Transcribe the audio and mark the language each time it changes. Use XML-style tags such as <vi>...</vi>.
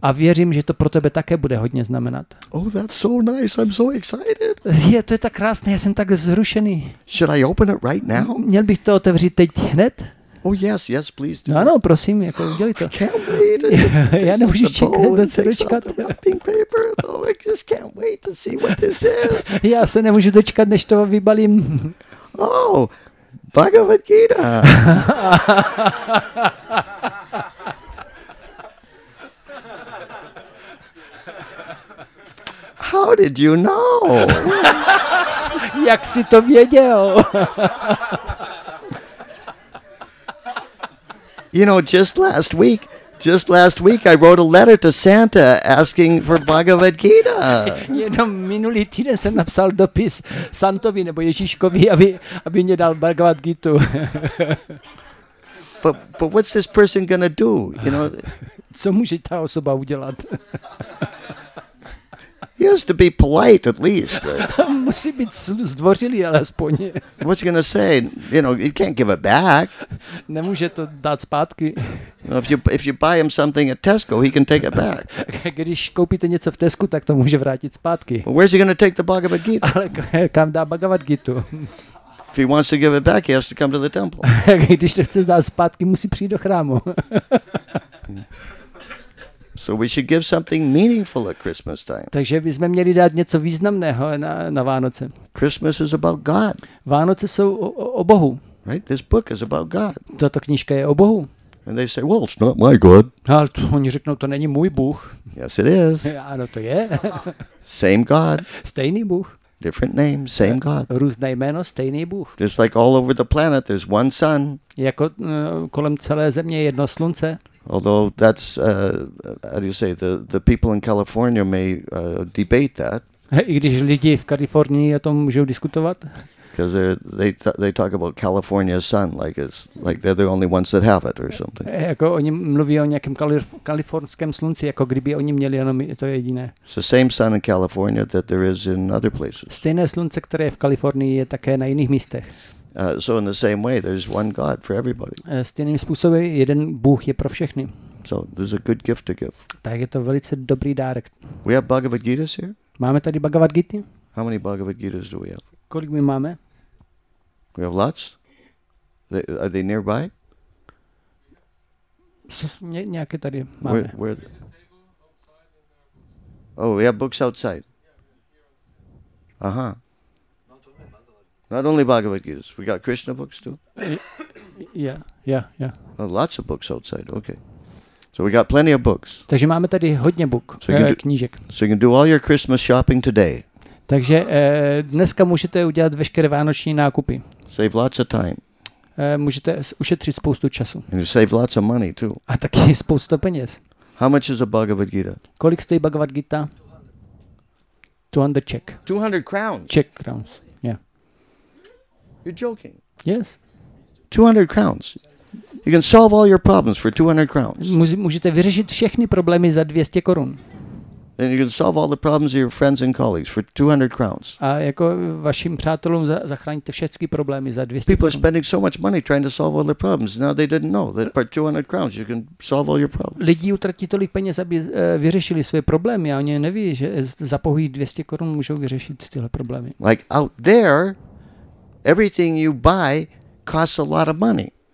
<cs>A věřím, že to pro tebe také bude hodně znamenat.</cs> <en>Oh, that's so nice. I'm so excited.</en> <cs>Je, to je tak krásné. Já jsem tak zrušený.</cs> <en>Should I open it right now?</en> <cs>Měl bych to otevřít teď hned?</cs> <en>Oh yes, yes, please do.</en> <cs>No, ano, prosím, jako udělej to.</cs> <en>I can't wait.</en> <cs>Já nemůžu čekat, do se dočkat.</cs> <en>Paper. Oh, I just can't wait to see what this is.</en> <cs>Já se nemůžu dočkat, než to vybalím.</cs> <en>Oh, Bhagavad Gita. How did you know?</en> <cs>Jak jsi to věděl?</cs> <en>You know, just last week I wrote a letter to Santa asking for Bhagavad Gita.</en> <cs>Jenom minulý týden jsem napsal dopis Santovi nebo Ježíškovi, aby mě dal Bhagavad Gitu.</cs> <en>But what's this person gonna do? You know,</en> <cs>co může ta osoba udělat?</cs> <en>He has to be polite at least.</en> <cs>Musí být zdvořilý alespoň.</cs> <en>What's he gonna say? You know, he can't give it back.</en> <cs>Nemůže to dát zpátky.</cs> <en>If you buy him something at Tesco, he can take it back.</en> <cs>Když koupíte něco v Tesku, tak to může vrátit zpátky.</cs> <en>But where's he gonna take the Bhagavad Gita?</en> <cs>Ale kam dá Bhagavad Gitu?</cs> <en>If he wants to give it back, he has to come to the temple.</en> <cs>Když to chce dát zpátky, musí přijít do chrámu.</cs> <en>So we should give something meaningful at Christmas time.</en> <cs>Takže bychom měli dát něco významného na Vánoce.</cs> <en>Christmas is about God.</en> <cs>Vánoce jsou o Bohu.</cs> <en>Right? This book is about God.</en> <cs>Tato knížka je o Bohu.</cs> <en>And they say, well, it's not my God.</en> <cs>Ale oni řeknou, to není můj Bůh.</cs> <en>Yes, it is.</en> <cs>Ano, to je.</cs> <en>Same God.</en> <cs>Stejný Bůh.</cs> <en>Different name, same God.</en> <cs>Různé jméno, stejný Bůh.</cs> <en>Just like all over the planet, there's one sun.</en> <cs>Jako kolem celé země je jedno slunce.</cs> <en>Although that's, how do you say, the people in California may debate that.</en> <cs>I když lidi v Kalifornii o tom můžou diskutovat.</cs> <en>Because they talk about California's sun, like it's like they're the only ones that have it or something.</en> <cs>Jako oni mluví o nějakém kalifornském slunci, jako kdyby oni měli jenom to jediné.</cs> <en>It's the same sun in California that there is in other places.</en> <cs>Stejné slunce, které je v Kalifornii, je také na jiných místech.</cs> <en>So in the same way, there's one God for everybody.</en> <cs>Stejným způsobem jeden Bůh je pro všechny.</cs> <en>So this is a good gift to give.</en> <cs>Tak je to velice dobrý dárek.</cs> <en>We have Bhagavad Gitas here?</en> <cs>Máme tady Bhagavad Gity?</cs> <en>How many Bhagavad Gitas do we have?</en> <cs>Kolik my máme?</cs> <en>We have lots. Are they nearby?</en> <cs>Nějaké tady máme.</cs> <en>Where the... Oh, we have books outside. Aha. Not only Bhagavad Gita, we got Krishna books too. Yeah. Oh, lots of books outside. Okay, so we got plenty of books.</en> <cs>Takže máme tady hodně book, knížek.</cs> <en>So you can do all your Christmas shopping today.</en> <cs>Takže dneska můžete udělat veškeré vánoční nákupy.</cs> <en>Save lots of time.</en> <cs>Můžete ušetřit spoustu času.</cs> <en>And you save lots of money too.</en> <cs>A taky spoustu peněz.</cs> <en>How much is a Bhagavad Gita?</en> <cs>Kolik stojí Bhagavad Gita?</cs> <en>200 Czech. 200 crowns. Czech crowns. You're joking. Yes. 200 crowns. You can solve all your problems for 200 crowns.</en> <cs>Můžete vyřešit všechny problémy za 200 korun.</cs> <en>And you can solve all the problems of your friends and colleagues for 200 crowns.</en> <cs>A jako vašim přátelům zachráníte všechny problémy za 200 korun.</cs> <en>People are spending so much money trying to solve all their problems. Now they didn't know that for 200 crowns you can solve all your problems.</en> <cs>Lidi utratí tolik peněz, aby vyřešili své problémy, a oni neví, že za pouhý 200 korun můžou vyřešit tyhle problémy.</cs> <en>Like out there, everything you buy costs a lot of money.</en>